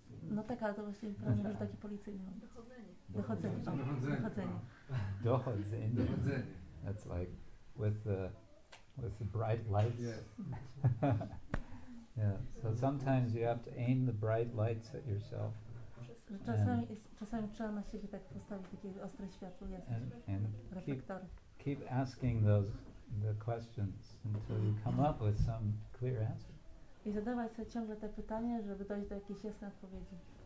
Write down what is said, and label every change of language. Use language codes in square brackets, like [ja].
[pl] No tak, ale to właśnie prawda, że taki policyjny. Dochodzenie. [en] That's like with the bright lights. Yes. Yeah. So sometimes you have to aim the bright lights at yourself. [pl] Czasami trzeba na siebie tak postawić takie ostre światło, reflektory. [en] Keep asking the questions until you come up with some clear answer. [pl] I zadawać sobie ciągle te pytania, żeby dojść do jakiejś jasnej odpowiedzi.